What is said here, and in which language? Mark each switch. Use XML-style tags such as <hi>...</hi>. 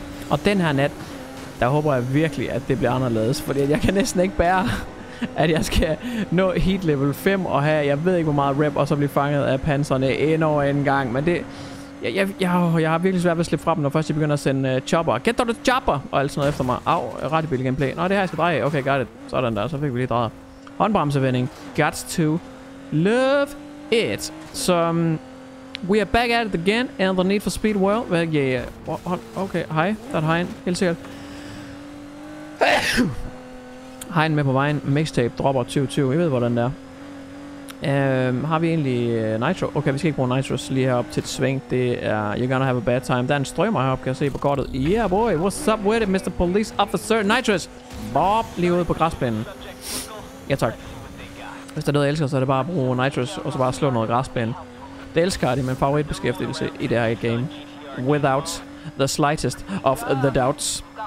<da>Og den her nat, der håber jeg virkelig, at det bliver anderledes, fordi jeg kan næsten ikke bære, at jeg skal nå heat level 5 og have, jeg ved ikke hvor meget rap, og så blive fanget af panserne endnu en gang, men det... Jeg har virkelig svært ved at slippe fra dem, når først jeg begynder at sende chopper.</da> <en>Get the chopper!</en> <da>Og alt sådan noget efter mig. Au, ret i billig gameplay. Nå, det her jeg skal dreje.</da> <en>Okay, got it.</en> <da>Sådan der, så fik vi lige drejet. Håndbremsevending.</da> <en>Got to love it. Så, we are back at it again, and the Need for Speed world. Well, yeah.</en> <da>Okay, hej. Der er hegn. Helt sikkert. Hegn med på vejen. Mixtape dropper 2020. I ved, hvordan det er. Har vi egentlig nitro? Okay, vi skal ikke bruge nitros lige herop til et sving. Det er,</da> <en>you're gonna have a bad time.</en> <da>Der er en strømmer heroppe, kan jeg se på kortet.</da> <en>Yeah boy, what's up with it, Mr. Police Officer? Nitros!</en> <da>Bob, lige ude på græsplænen. Ja tak. Hvis der er noget, jeg elsker, så er det bare at bruge nitros, og så bare slå noget græsplæne. Det elsker de, men favoritbeskæftigelse i det her game.</da> <en>Without the slightest of the doubts.</en>